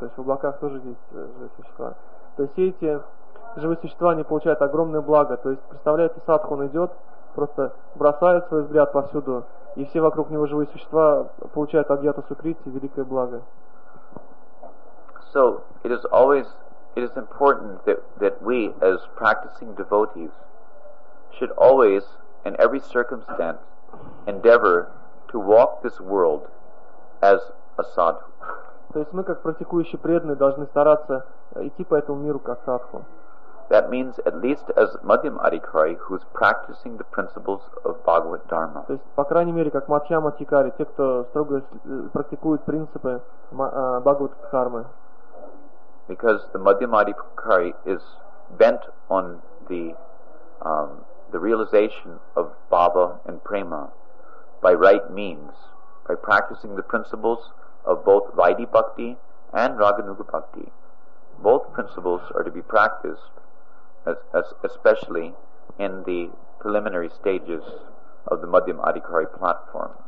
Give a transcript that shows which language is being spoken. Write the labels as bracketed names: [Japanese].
[Russian] То есть в облаках тоже есть живые существа. То есть все эти живые существа, они получают огромное благо. То есть, представляете, садху, он идет, просто бросает свой взгляд повсюду, и все вокруг него живые существа получают агьята сукрити, великое благо. [English] So, it is always, it is important that we, as practicing devotees, should always, in every circumstance, endeavor to walk this world as a sadhu. [Russian] То есть мы как практикующие преданные должны стараться идти по этому миру как садху. [English] That means at least as Madhyam Adhikari who's practicing the principles of Bhagavad Dharma. [Russian] То есть по крайней мере как Мадхьяма Адхикари, те кто строго практикует принципы Бхагавад Дхармы. [English] Because the Madhyam Adhikari is bent on the realization of bhava and prema by right means. By practicing the principles of both Vaidhi Bhakti and Raganuga Bhakti, both principles are to be practiced, as especially in the preliminary stages of the Madhyam Adhikari platform.